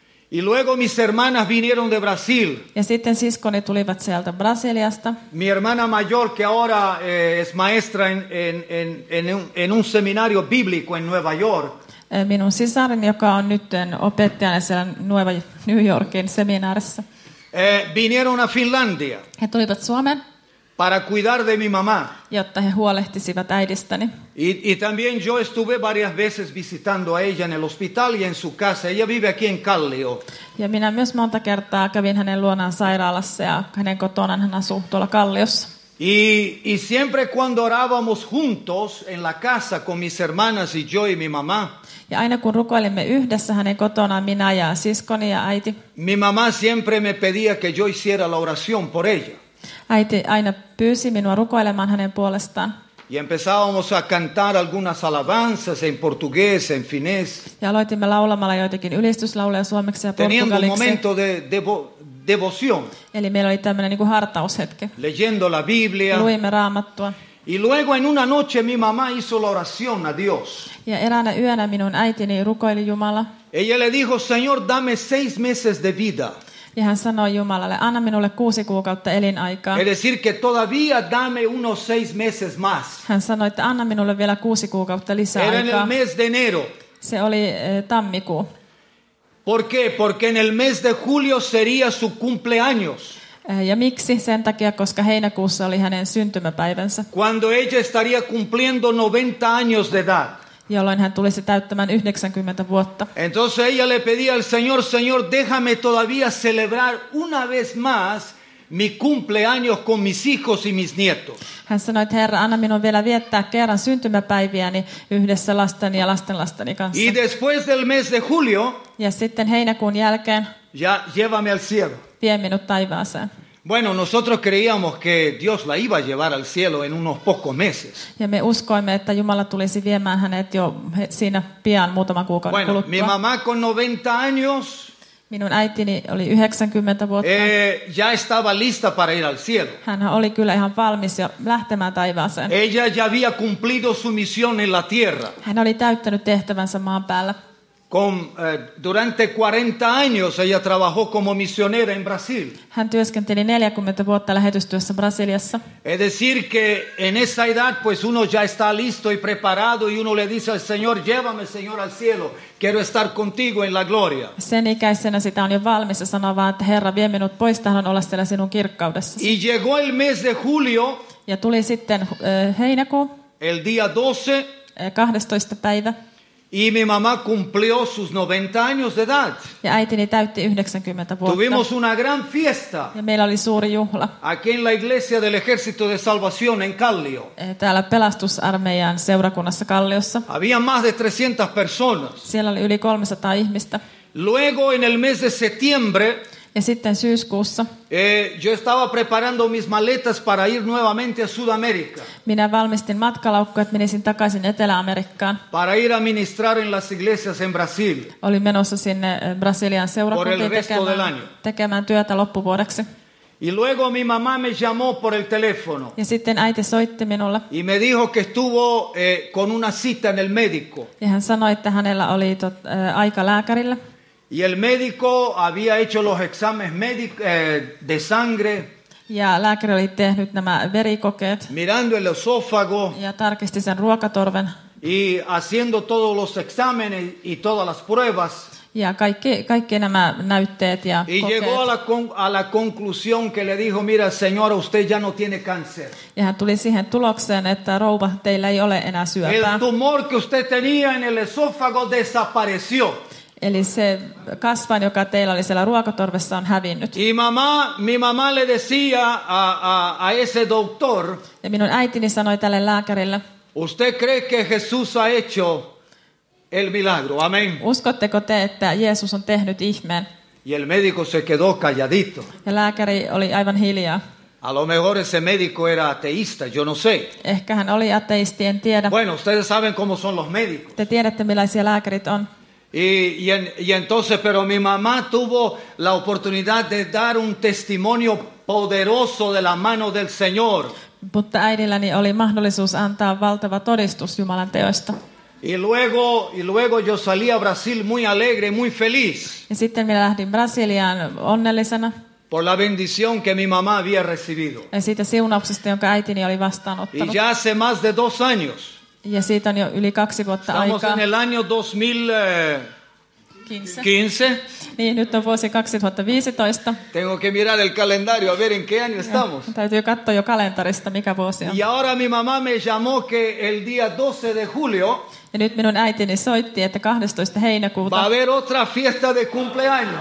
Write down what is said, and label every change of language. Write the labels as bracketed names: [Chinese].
[Spanish] Y luego mis hermanas vinieron de Brasil. [Finnish] Ja sitten siskoni tulivat sieltä Brasiliasta. [Spanish] Mi hermana mayor que ahora es maestra en un seminario bíblico en Nueva York. [Finnish] Minun sisarin, joka on nyt opettajana siellä New Yorkin seminaarissa. [Spanish] Vinieron a Finlandia. [Finnish] He tulivat Suomeen. [Spanish] Para cuidar de mi mamá. [Finnish] Jotta he huolehtisivat äidistäni. [Spanish] Y también yo estuve varias veces visitando a ella en el hospital y en su casa. Ella vive aquí en Kallio. [Finnish] Ja minä myös monta kertaa kävin hänen luonaan sairaalassa ja hänen kotonaan hän asuu tuolla Kalliossa. [Spanish] Y siempre cuando orábamos juntos en la casa con mis hermanas y yo y mi mamá. [Finnish] Ja aina kun rukoilimme yhdessä hänen kotonaan, minä ja siskoni ja äiti. [Spanish] Mi mamá siempre me pedía que yo hiciera la oración por ella. [Finnish] Äiti aina pyysi minua rukoilemaan hänen puolestaan. [Spanish] Y empezábamos a cantar algunas alabanzas en portugués, en finés. [Finnish] Ja aloitimme laulamalla joitakin ylistyslauluja suomeksi ja portugaliksi. [Spanish] Teniendo un momento de devoción. [Finnish] Eli meillä oli tämmöinen niin kuin hartaushetke. [Spanish] Leyendo la Biblia. [Finnish] Luimme Raamattua. [Spanish] Y luego en una noche mi mamá hizo la oración a Dios. [Finnish] Ja eräänä yönä minun äitini rukoili Jumala. [Spanish] Ella le dijo, Señor, dame 6 meses de vida. [Finnish] Ja hän sanoi Jumalalle, anna minulle 6 kuukautta elinaikaa. [Spanish] Es decir que todavía dame unos 6 meses más. [Finnish] Hän sanoi, että anna minulle vielä 6 kuukautta lisää aikaa. [Spanish] Era en el mes de enero. [Finnish] Se oli tammikuu. [Spanish] ¿Por qué? Porque en el mes de julio sería su cumpleaños. [Finnish] Ja miksi? Sen takia, koska heinäkuussa oli hänen syntymäpäivänsä. [Spanish] Cuando ella estaría cumpliendo 90 años de edad. [Finnish] Jolloin hän tulisi täyttämään 90 vuotta. [Spanish] Entonces ella le pedía al Señor, Señor, déjame todavía celebrar una vez más mi cumpleaños con mis hijos y mis nietos. [Finnish] Hän sanoi, että Herra, anna minun vielä viettää kerran syntymäpäiviäni yhdessä lasteni ja lastenlasteni kanssa. [Spanish] Y después del mes de julio, [Finnish] ja sitten heinäkuun jälkeen, [Spanish] ya llévame al cielo. [Finnish] Vie minut taivaaseen. [Spanish] Bueno, nosotros creíamos que Dios la iba a llevar al cielo en unos pocos meses. [Finnish] Ja me uskoimme, että Jumala tulisi viemään hänet jo siinä pian muutaman kuukauden kuluttua. [Spanish] Bueno, mi mamá con 90 años. [Finnish] Minun äitini oli 90 vuotta. [Spanish] Ya estaba lista para ir al cielo. [Finnish] Hän oli kyllä ihan valmis jo lähtemään taivaaseen. [Spanish] Ella ya había cumplido su misión en la tierra. [Finnish] Hän oli täyttänyt tehtävänsä maan päällä. [Spanish] Durante 40 años ella trabajó como misionera en Brasil. [Finnish] Hän työskenteli 40 vuotta lähetystyössä Brasiliassa. [Spanish] Es decir que en esa edad pues uno ya está listo y preparado y uno le dice al Señor, llévame Señor al cielo, quiero estar contigo en la gloria. [Finnish] Sen ikäisenä sitä on jo valmis ja sanoo vaan, että Herra vie minut pois, tahdon olla siellä sinun kirkkaudessasi. [Spanish] Y llegó el mes de julio. [Finnish] Ja tuli sitten heinäkuu. [Spanish] El día 12. [Finnish] 12. päivä. [Spanish] Y mi mamá cumplió sus 90 años de edad. [Finnish] Ja äitini täytti 90 vuotta. [Spanish] Tuvimos una gran fiesta. [Finnish] Ja meillä oli suuri juhla. [Spanish] Aquí en la iglesia del Ejército de Salvación en Callio. [Finnish] Täällä pelastusarmeijan seurakunnassa Calliossa. [Spanish] Había más de 300 personas. [Finnish] Siellä oli yli 300 ihmistä. [Spanish] Luego en el mes de septiembre. [Finnish] Ja sitten syyskuussa. [Spanish] Yo estaba preparando mis maletas para ir nuevamente a Sudamérica. [Finnish] Minä valmistin matkalaukkoja, että menisin takaisin Etelä-Amerikkaan. [Spanish] Para ir a ministrar en las iglesias en Brasil. [Finnish] Olin menossa sinne Brasilian seurakuntiin tekemään työtä loppuvuodeksi. [Spanish] Y luego mi mamá me llamó por el teléfono. [Finnish] Ja sitten äiti soitti minulle. [Spanish] Y me dijo que estuvo con una cita en el médico. [Finnish] Ja hän sanoi, että hänellä oli aika lääkärillä. [Spanish] Y el médico había hecho los exámenes de sangre. [Finnish] Ja lääkäri oli tehnyt nämä verikokeet. [Spanish] Mirando el esófago. [Finnish] Ja tarkisti sen ruokatorven. [Spanish] Y haciendo todos los exámenes y todas las pruebas. [Finnish] Ja kaikki nämä näytteet ja kokeet. [Spanish] Y llegó a la conclusión que le dijo, mira señora, usted ya no tiene cáncer. [Finnish] Ja hän tuli siihen tulokseen, että rouva, teillä ei ole enää syöpää. [Spanish] El tumor que usted tenía en el esófago desapareció. [Finnish] Eli se kasvain, joka teillä oli siellä ruokatorvessa, on hävinnyt. [Spanish] Y mi mamá le decía a ese doctor. [Finnish] Ja minun äitini sanoi tälle lääkärille. [Spanish] Usted cree que Jesús ha hecho el milagro. Amén. [Finnish] Uskotteko te, että Jeesus on tehnyt ihmeen? [Spanish] Y el médico se quedó calladito. [Finnish] Ja lääkäri oli aivan hiljaa. [Spanish] A lo mejor ese médico era ateísta, yo no sé. [Finnish] Ehkä hän oli ateisti, en tiedä. [Spanish] Bueno, ustedes saben cómo son los médicos. [Finnish] Te tiedätte, millaisia lääkärit on. [Spanish] Y entonces, pero mi mamá tuvo la oportunidad de dar un testimonio poderoso de la mano del Señor. [Finnish] Mutta äidilläni oli mahdollisuus antaa valtava todistus Jumalan teosta. [Spanish] Y luego yo salí a Brasil muy alegre, muy feliz. [Finnish] Ja sitten minä lähdin Brasiliaan onnellisena. [Spanish] Por la bendición que mi mamá había recibido. [Finnish] Ja siitä siunauksesta, jonka äitini oli vastaanottanut. [Spanish] Y ya hace más de 2 años. [Finnish] Ja siitä on jo yli 2 vuotta [Spanish] Estamos [Finnish] aikaa. [Spanish] En el año 2015. [Finnish] Niin, nyt on vuosi 2015. [Spanish] Tengo que mirar el calendario a ver en qué año estamos. [Finnish] Ja, täytyy katsoa jo kalentarista, mikä vuosi on. [Spanish] Y ahora mi mamá me llamó que el día 12 de julio. [Finnish] Ja nyt minun äitini soitti, että 12. heinäkuuta. [Spanish] Va a haber otra fiesta de cumpleaños.